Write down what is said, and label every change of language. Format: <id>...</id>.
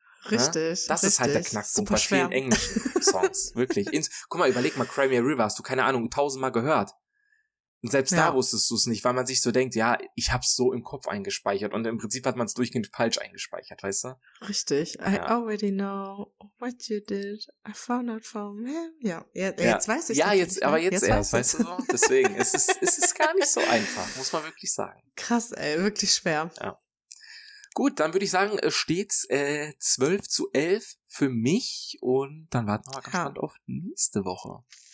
<de>Richtig. Ist halt der Knackpunkt bei vielen englischen Songs. Wirklich. Guck mal, überleg mal, Cry Me a River, hast du, keine Ahnung, 1000 Mal gehört. Und selbst da wusstest du es nicht, weil man sich so denkt, ja, ich hab's so im Kopf eingespeichert. Und im Prinzip hat man es durchgehend falsch eingespeichert, weißt du? Richtig. Ja.</de> <en>I already know what you did. I found out from him.</en> <de>Jetzt weiß ich es. Ja, jetzt erst, weißt du so? Deswegen, es ist gar nicht so einfach, muss man wirklich sagen. Krass, ey, wirklich schwer. Ja. Gut, dann würde ich sagen, steht's 12-11 für mich und dann warten wir mal gespannt auf nächste Woche.</de>